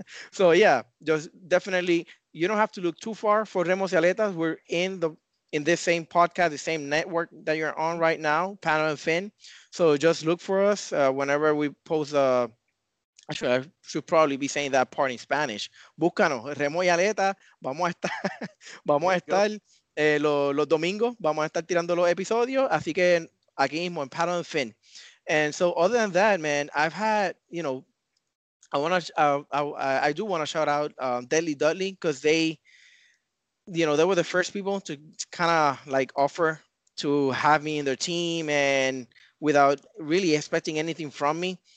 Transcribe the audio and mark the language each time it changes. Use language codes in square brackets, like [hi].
[en] So, yeah, just definitely, you don't have to look too far for Remos y Aletas. We're in this same podcast, the same network that you're on right now, Panel and Finn. So just look for us whenever we post a actually, I should probably be saying that part in Spanish. [es] Búscanos, Remo y Aleta, vamos a estar los domingos, vamos a estar tirando los episodios, así que aquí mismo en Paddle and Finn. [en] And so other than that, man, I've had, you know, I do want to shout out Deadly Dudley because they, you know, they were the first people to kind of like offer to have me in their team and without really expecting anything from me.